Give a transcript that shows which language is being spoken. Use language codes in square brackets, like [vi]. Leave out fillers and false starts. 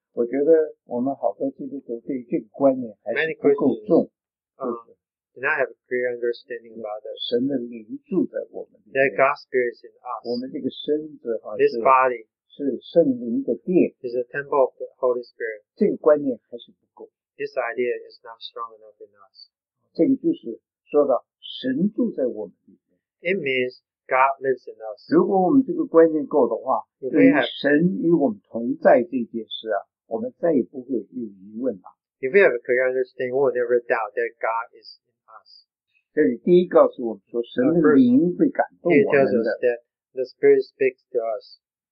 [zh] 我觉得我们好多基督徒对于这个观念还是不够重。 [en] And I have a clear understanding about that. [zh] 神的灵住在我们里面。 [en] That God's Spirit is in us. [zh] 我们这个身子哈是。 [en] This body. [zh] 是圣灵的殿, [en] is a temple of the Holy Spirit. [zh] 这个观念还是不够, [en] this idea is not strong enough in us. [zh] 这个就是说到神住在我们里面, [en] it means God lives in us. [zh] 如果我们这个观念够的话, [en] if we have, [zh] 神与我们同在这件事啊, 我们再也不会有疑问了。 [en] If we have a clear understanding, we will never doubt that God is in us. [zh] 这里第一告诉我们说神的灵会感动我们的。 [en] It tells us that the Spirit speaks to us.